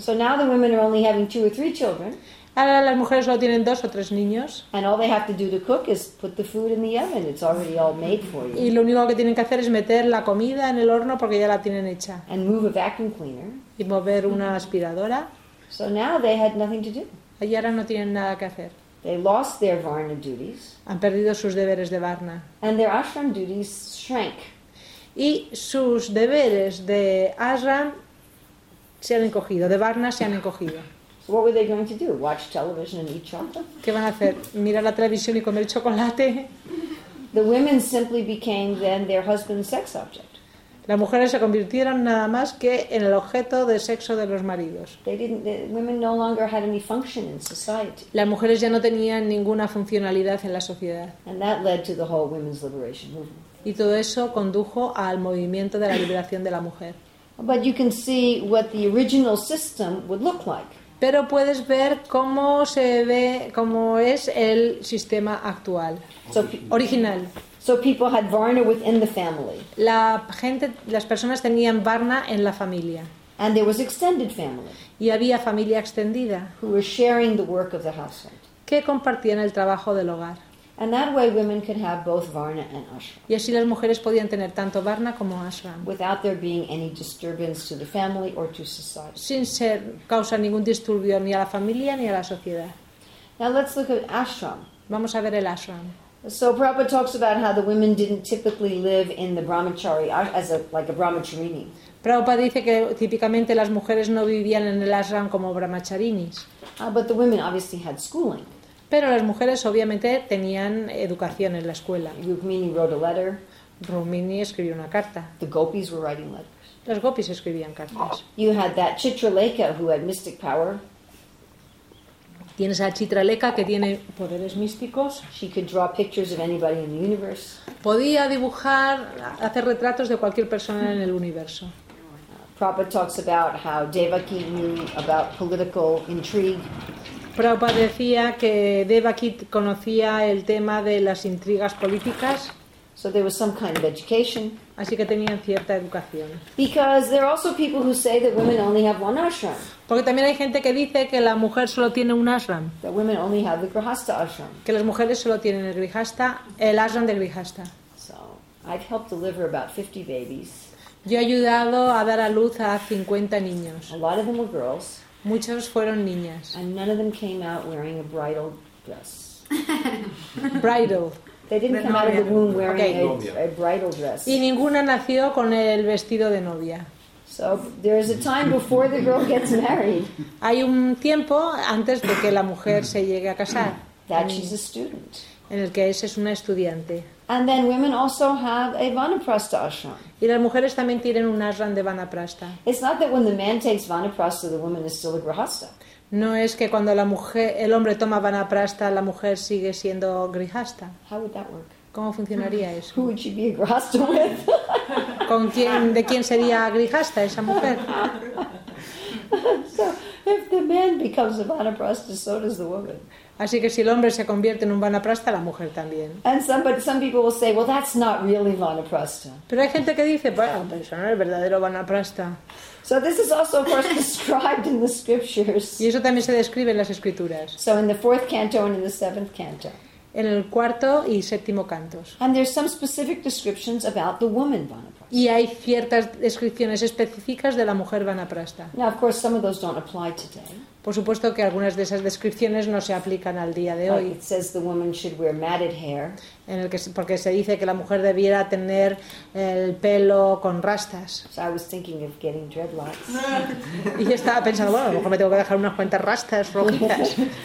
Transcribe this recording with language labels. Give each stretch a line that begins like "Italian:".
English: So now the women are only having 2 or 3 children.
Spanish: Ahora las mujeres solo tienen 2 o 3 niños.
English: And all they have to do to cook is put the food in the oven. It's already all made for you.
Spanish: Y lo único que tienen que hacer es meter la comida en el horno porque ya la tienen hecha.
English: And move a vacuum cleaner.
Spanish: Y mover una aspiradora.
English: So now they had nothing to do.
Spanish: Y ahora no tienen nada que hacer.
English: They lost their varna duties.
Spanish: Han perdido sus deberes de varna.
English: And their ashram duties shrank.
Spanish: Y sus deberes de ashram se han encogido, de varna se han encogido.
English: So what were they going to do? Watch television and eat chocolate?
Spanish: ¿Qué van a hacer? ¿Mirar la televisión y comer chocolate?
English: The women simply became then their husband's sex object.
Spanish: Las mujeres se convirtieron nada más que en el objeto de sexo de los maridos.
English: Women no longer had any function in society.
Spanish: Las mujeres ya no tenían ninguna funcionalidad en la sociedad.
English: And that led to the whole women's liberation movement.
Spanish: Y todo eso condujo al movimiento de la liberación de la mujer.
English: But you can see what the original system would look like.
Spanish: Pero puedes ver cómo se ve, cómo es el sistema actual, original.
English: So people had varna within the family.
Spanish: Las personas tenían varna en la familia.
English: And there was extended family.
Spanish: Y había familia extendida.
English: Who were sharing the work of the household.
Spanish: Que compartían el trabajo del hogar.
English: And that way women could have both varna and ashram.
Spanish: Y así las mujeres podían tener tanto varna como ashram.
English: Without there being any disturbance to the family or to society.
Spanish: Sin ser causa ningún disturbio ni a la familia ni a la sociedad.
English: Now let's look at ashram.
Spanish: Vamos a ver el ashram.
English: So Prabhupada talks about how the women didn't typically live in the brahmachari like a brahmacharini.
Spanish: Prabhupada dice que típicamente las mujeres no vivían en el ashram como brahmacharinis.
English: But the women obviously had schooling.
Spanish: Pero las mujeres obviamente tenían educación en la escuela.
English: Rukmini wrote a letter.
Spanish: Rukmini escribió una carta.
English: The gopis were writing letters.
Spanish: Las gopis escribían cartas.
English: You had that Chitraleka who had mystic power.
Spanish: Tienes a Chitraleka que tiene poderes místicos.
English: She could draw pictures of anybody in the universe.
Spanish: Podía dibujar, hacer retratos de cualquier persona en el universo.
English: Prabhupada talks about how Devaki knew about political intrigue.
Spanish: Prabhupada decía que Devaki conocía el tema de las intrigas políticas.
English: So there was some kind of education.
Spanish: Así que tenían cierta educación.
English: Because there are also people who say that women only have one ashram.
Spanish: Porque también hay gente que dice que la mujer solo tiene un ashram.
English: That women only have the grihastha ashram.
Spanish: Que las mujeres solo tienen el grihastha, el ashram del grihastha.
English: So, I've helped deliver about 50 babies.
Spanish: Yo he ayudado a dar a luz a 50 niños.
English: A lot of them were girls.
Spanish: Muchos fueron niñas.
English: And none of them came out wearing a bridal dress. Bridal. They didn't come out of the womb wearing a bridal dress.
Spanish: Y ninguna nació con el vestido de novia.
English: So there is a time before the girl gets married.
Spanish: Hay un tiempo antes de que la mujer se llegue a casar.
English: That she's a student.
Spanish: En el que ella es una estudiante.
English: And then women also have a vanaprastha ashram.
Spanish: Y las mujeres también tienen un ashram de vanaprastha.
English: It's not that when the man takes vanaprastha, the woman is still a grihastha.
Spanish: No es que cuando la mujer, el hombre toma vanaprastha, la mujer sigue siendo grihastha.
English: How would that work?
Spanish: ¿Cómo funcionaría eso?
English: Who would she be a grihastha with?
Spanish: ¿Con quién, de quién sería grihastha esa mujer?
English: So, if the man becomes a vanaprastha, so does the woman.
Spanish: Así que si el hombre se convierte en un vanaprastha, la mujer también.
English: And some people will say, well, that's not really vanaprastha.
Spanish: Pero hay gente que dice, bueno, pero eso no es el verdadero vanaprastha.
English: So this is also, of course, described in the scriptures.
Spanish: Y eso también se describe en las escrituras.
English: So in the fourth canto and in the seventh canto.
Spanish: En el cuarto y séptimo cantos.
English: And there's some specific descriptions about the woman vanaprastha.
Spanish: Y hay ciertas descripciones específicas de la mujer vanaprastha.
English: Now, of course, some of those don't apply today.
Spanish: Por supuesto que algunas de esas descripciones no se aplican al día de hoy.
English: It says the woman should wear matted hair.
Spanish: En el que, porque se dice que la mujer debiera tener el pelo con rastas.
English: So I was thinking of getting dreadlocks.
Spanish: Y estaba pensando, bueno, a lo mejor me tengo que dejar unas cuantas rastas rojitas.